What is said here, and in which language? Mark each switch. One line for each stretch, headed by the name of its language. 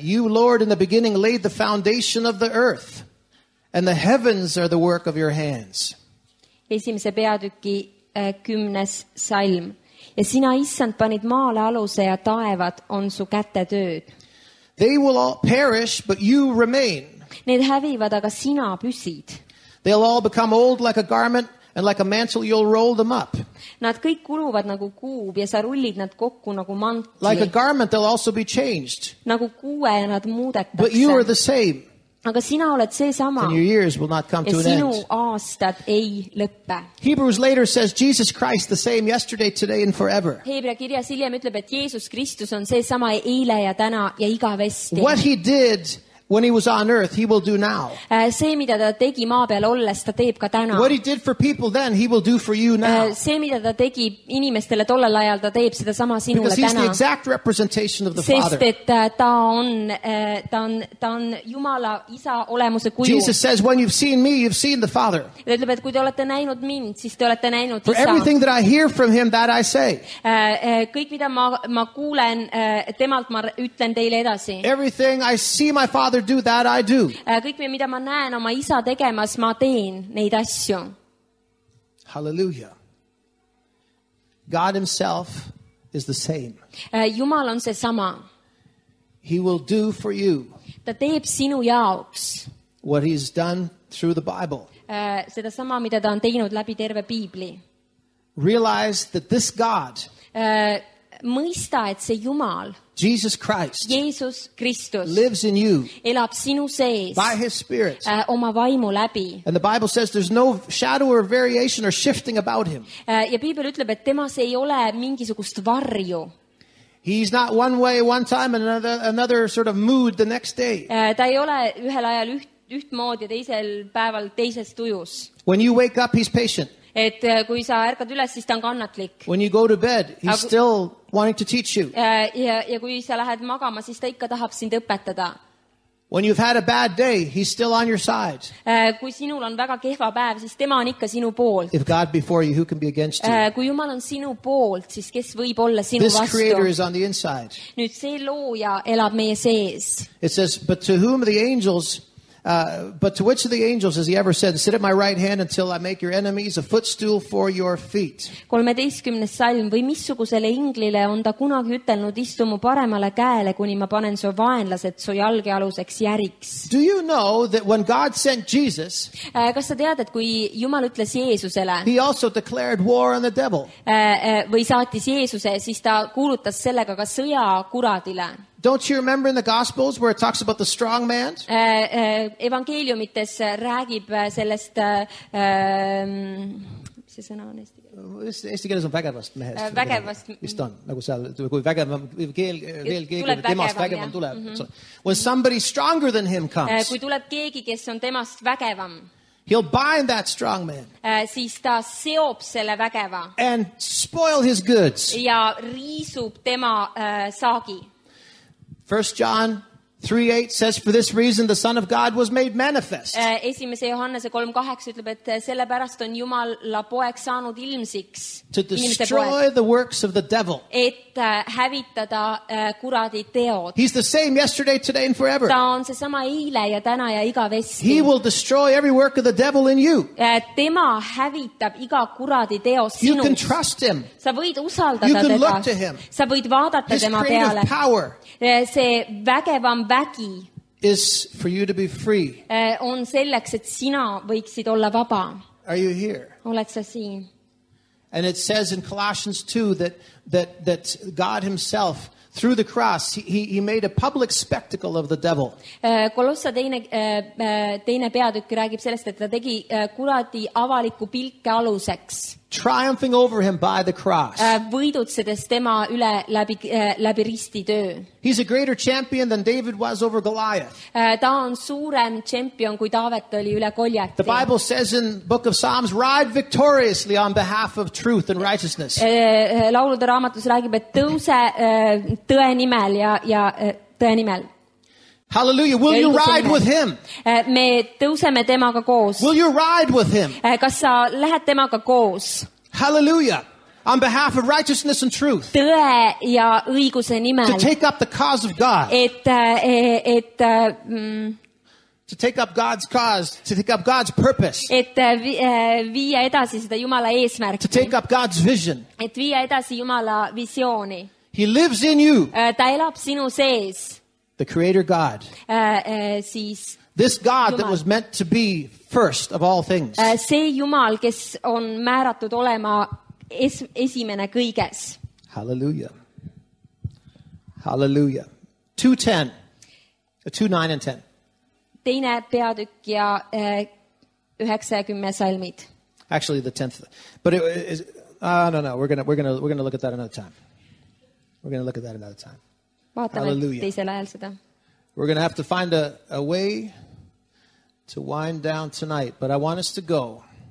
English: You, Lord, in the beginning laid the foundation of the earth, and the heavens are the work of your hands.
Estonian: Esimese peatüki 10. Salm. Ja sina, Issand, panid maale aluse ja taevad on su käte tööd.
English: They will all perish, but you remain.
Estonian: Need hävivad, aga sina püsid.
English: They'll all become old like a garment, and like a mantle, you'll roll them up.
Estonian: Nad kõik kuluvad nagu kuub ja sa rullid nad kokku nagu mantli.
English: Like a garment, they'll also be changed.
Estonian: Nagu kuue ja nad muudetakse.
English: But you are the same.
Estonian: Aga sina oled see sama.
English: And your years will not come
Estonian: ja
English: to an end.
Estonian: Ja sinu aastad ei lõppe.
English: Hebrews later says, Jesus Christ the same yesterday, today and forever.
Estonian: Heebrea kirjas hiljem ütleb, et Jeesus Kristus on see sama eile ja täna ja igavesti.
English: What he did... When he was on earth, he will do now.
Estonian: See, mida ta tegi maa peal olles, ta teeb ka täna.
English: What he did for people then, he will do for you now.
Estonian: See, mida ta tegi inimestele tollel ajal, ta teeb seda sama sinule
English: Because
Estonian: täna.
English: Because he's the exact representation of the
Estonian: Sest,
English: Father.
Estonian: Sest, et ta on Jumala isa olemuse kuju.
English: Jesus says, when you've seen me, you've seen the Father.
Estonian: Ta ütleb, et kui te olete näinud mind, siis te olete näinud
English: for
Estonian: isa.
English: For everything that I hear from him, that I say.
Estonian: Kõik, mida ma kuulen, temalt ma ütlen teile edasi.
English: Everything I see my Father do that I do.
Estonian: Kõik mida ma näen oma isa tegemas, ma teen neid asju.
English: Hallelujah. God himself is the same.
Estonian: Jumal on see sama.
English: He will do for you.
Estonian: Ta teeb sinu jaoks.
English: What he's done through the Bible.
Estonian: Seda sama mida ta on teinud läbi terve piibli.
English: Realize that this God.
Estonian: Mõista, et see Jumal
English: Jesus Christ
Estonian: Jeesus Kristus
English: lives in you
Estonian: elab sinu sees
English: by his spirit
Estonian: oma vaimu läbi
English: and the Bible says there's no shadow or variation or shifting about him
Estonian: ja piibel ütleb, et temas ei ole mingisugust varju
English: he's not one way one time and another sort of mood the next day
Estonian: ta ei ole ühel ajal ühtmoodi ja teisel päeval teises tujus
English: when you wake up, he's patient
Estonian: et kui sa ärkad üles, siis ta on kannatlik
English: when you go to bed, he's still wanting to teach you.
Estonian: Ja kui sa lähed magama, siis ta ikka tahab sind õpetada.
English: When you've had a bad day, he's still on your side.
Estonian: Kui sinul on väga kehva päev, siis tema on ikka sinu poolt.
English: If God before you, who can be against you?
Estonian: Kui Jumal on sinu poolt, siis kes võib olla sinu
English: This
Estonian: vastu?
English: This creator is on the inside.
Estonian: Nüüd see looja elab meie sees.
English: It says, but to whom the angels But to which of the angels has he ever said, sit at my right hand until I make your enemies a footstool for your feet?
Estonian: 13. salm või missugusele inglile on ta kunagi ütelnud, istu mu paremale käele, kuni ma panen su vaenlased su jalge aluseks järiks?
English: Do you know that when God sent Jesus,
Estonian: kas sa tead, et kui Jumal ütles Jeesusele,
English: he also declared war on the devil?
Estonian: Või saatis Jeesuse, siis ta kuulutas sellega ka sõja kuradile.
English: Don't you remember in the Gospels where it talks about the strong man?
Estonian: Evangeeliumites räägib sellest, mis see sõna on eesti keeles? Eesti keeles on vägevast mehest. Vägevast. Mist on, nagu seal, kui vägevam, veel keegi, kui temast vägevam tuleb.
English: So, when somebody stronger than him comes.
Estonian: Kui tuleb keegi, kes on temast vägevam.
English: He'll bind that strong man.
Estonian: Siis ta seob selle vägeva.
English: And spoil his goods.
Estonian: Ja riisub tema saagi.
English: 1 John 3:8 says, for this reason the Son of God was made manifest.
Estonian: Esimese Johannese 3:8 ütleb, et sellepärast on Jumala poeg saanud ilmsiks.
English: To destroy the works of the devil.
Estonian: Et hävitada kuradi teod.
English: He's the same yesterday, today and forever.
Estonian: Ta on see sama eile ja täna ja igavesti.
English: He will destroy every work of the devil in you.
Estonian: Tema hävitab iga kuradi teo sinus.
English: You can trust him.
Estonian: Sa võid usaldada teda.
English: You can look to him.
Estonian: Sa võid vaadata tema peale.
English: His creative power.
Estonian: See vägevam vägi
English: is for you to be free.
Estonian: On selleks, et sina võiksid olla vaba.
English: Are you here?
Estonian: Oled sa siin?
English: And it says in Colossians 2 that God himself through the cross he made a public spectacle of the devil.
Estonian: Kolossa teine peatükk räägib sellest, et ta tegi kuradi avaliku pilke aluseks.
English: Triumphing over him by the cross.
Estonian: Võidutsedes tema üle läbi risti töö.
English: He's a greater champion than David was over Goliath.
Estonian: Ta on suurem champion kui Daavet oli üle Goliathi.
English: The Bible says in Book of Psalms, ride victoriously on behalf of truth and righteousness.
Estonian: Laulude raamatus räägib, et tõuse tõe nimel ja tõe nimel.
English: Hallelujah, will you ride with him?
Estonian: Me tõuseme temaga koos.
English: Will you ride with him?
Estonian: Kas sa lähed temaga koos?
English: Hallelujah, on behalf of righteousness and truth.
Estonian: Tõe ja õiguse nimel.
English: To take up the cause of God. To take up God's cause, to take up God's purpose.
Estonian: Et viia edasi seda Jumala eesmärki.
English: To take up God's vision.
Estonian: Et viia edasi Jumala visiooni.
English: He lives in you.
Estonian: Ta elab sinu sees.
English: The creator God.
Estonian: Siis
English: this God
Estonian: Jumal.
English: That was meant to be first of all things.
Estonian: See Jumal, kes on määratud olema esimene kõiges.
English: Hallelujah. Hallelujah. 2:10. 2:9 and 10.
Estonian: Teine peatükk ja 90 salmid.
English: Actually the 10th. But it is no, we're going to look at that another time. We're going to look at that another time. Hallelujah. We're going to have to find a way to wind down tonight, but I want us to go.